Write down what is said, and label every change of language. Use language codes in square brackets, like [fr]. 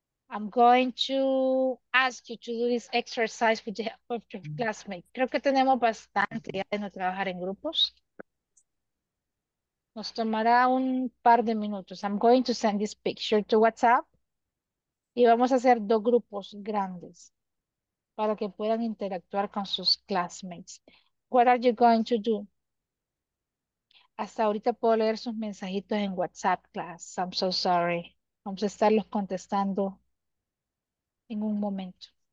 [en] I'm going to ask you to do this exercise with the help of your classmates. [es] Creo que tenemos bastante ya de no trabajar en grupos. Nos tomará un par de minutos. [en] I'm going to send this picture to WhatsApp. [es] Y vamos a hacer dos grupos grandes para que puedan interactuar con sus classmates. [en] What are you going to do? [es] Hasta ahorita puedo leer sus mensajitos en WhatsApp class. [en] I'm so sorry. [es] Vamos a estarlos contestando en un momento.